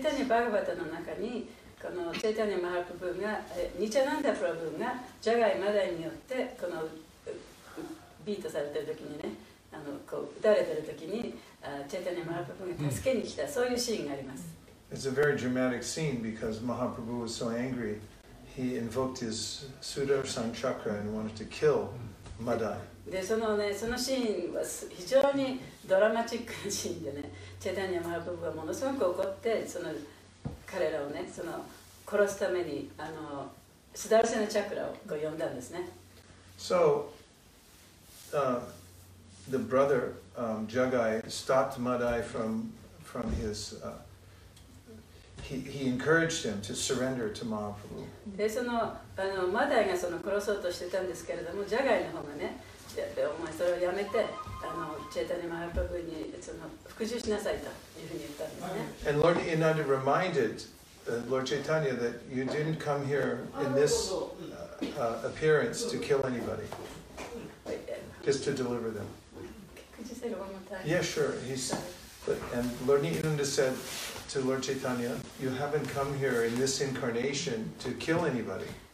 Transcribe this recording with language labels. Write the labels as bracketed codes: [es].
[ja] このチェイタニア・マハプブーが、ニチャナンダ・プラブーが、ジャガイ・マダイによってこのビートされてる時にね、こう打たれてる時に、チェイタニア・マハプブーが助けに来た、そういうシーンがあります。 [en] It's a very dramatic scene because Mahaprabhu was so angry, he invoked his Sudarshan Chakra and wanted to kill Madai. [ja] で、そのね、そのシーンは非常にドラマチックなシーンでね、チェイタニア・マハプブーがものすごく怒って、その彼らをね、その殺すためにスダルシナチャクラをこう呼んだんですね。 [en] So, the brother, Jagai stopped Madai from his, he encouraged him to surrender to Mahaprabhu. [ja] で、その、マダイがその殺そうとしてたんですけれども、ジャガイの方がね、お前それをやめて、チェタニマハプブにその服従しなさいというふうに言ったんですね。 [en] And Lord Inanda reminded Lord Chaitanya, that you didn't come here in this appearance to kill anybody, just to deliver them. Could you say it one more time? Yeah, sure. And Lord Nityananda said to Lord Chaitanya, you haven't come here in this incarnation to kill anybody.